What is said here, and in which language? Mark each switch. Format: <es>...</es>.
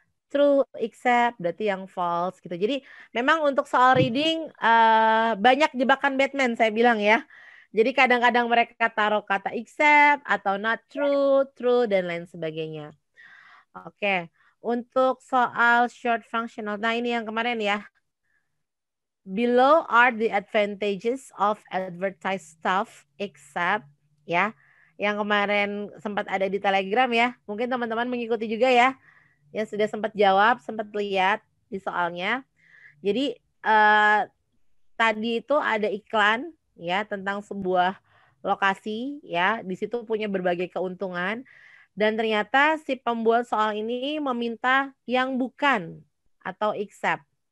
<id>True, except, berarti yang false gitu. Jadi memang untuk soal reading, banyak jebakan Batman saya bilang ya. Jadi kadang-kadang mereka taruh kata except atau not true, true, dan lain sebagainya. Oke, untuk soal short functional. Nah, ini yang kemarin ya.</id> <en>Below are the advantages of advertised stuff except, ya.</en> <id>Yang kemarin sempat ada di Telegram ya. Mungkin teman-teman mengikuti juga ya. Yang sudah sempat jawab, sempat lihat di soalnya. Jadi, tadi itu ada iklan ya tentang sebuah lokasi ya, di situ punya berbagai keuntungan, dan ternyata si pembuat soal ini meminta yang bukan atau except.</id>